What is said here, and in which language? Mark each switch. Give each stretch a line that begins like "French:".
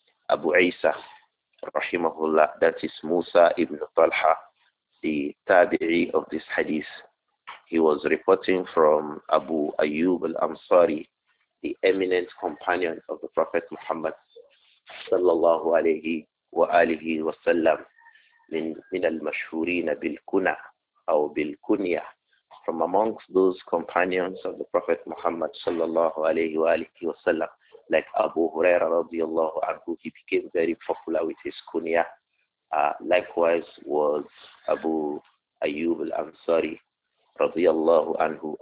English: Abu Isa, rahimahullah, that is Musa ibn Talha, the tabi'i of this hadith. He was reporting from Abu Ayyub al-Ansari, the eminent companion of the Prophet Muhammad sallallahu alayhi wa alihi wa sallam.
Arabic: من المشهورين بالكنى أو بالكنية.
English: From amongst those companions of the Prophet Muhammad صلى الله عليه وآله وسلم, like Abu Huraira رضي الله عنه, he became very popular with his kunya. Likewise was Abu Ayyub al-Ansari رضي الله عنه.